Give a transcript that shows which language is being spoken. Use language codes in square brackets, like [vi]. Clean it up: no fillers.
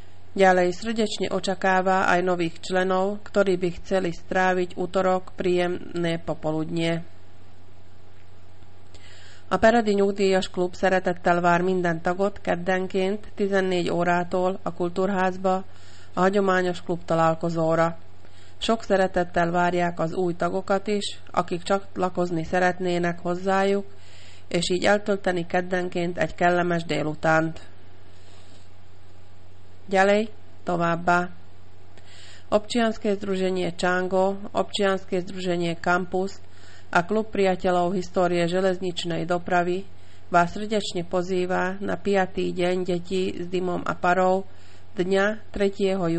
[sk] Ďalej srdečne očakáva aj nových členov, ktorí by chceli stráviť útorok príjemné popoludnie. [hu] A Peradi Nyugdíjas klub szeretettel vár minden tagot keddenként 14 órától a kultúrházba, a hagyományos klub találkozóra. Sok szeretettel várják az új tagokat is, akik csatlakozni szeretnének hozzájuk, és így eltölteni keddenként egy kellemes délutánt. Gyalej továbbá! [sk] Občianske združenie Čango, Občianske združenie Campus a klub priateľov histórie železničnej dopravy vás srdečne pozýva na 5. deň detí s dymom a parou dňa 3.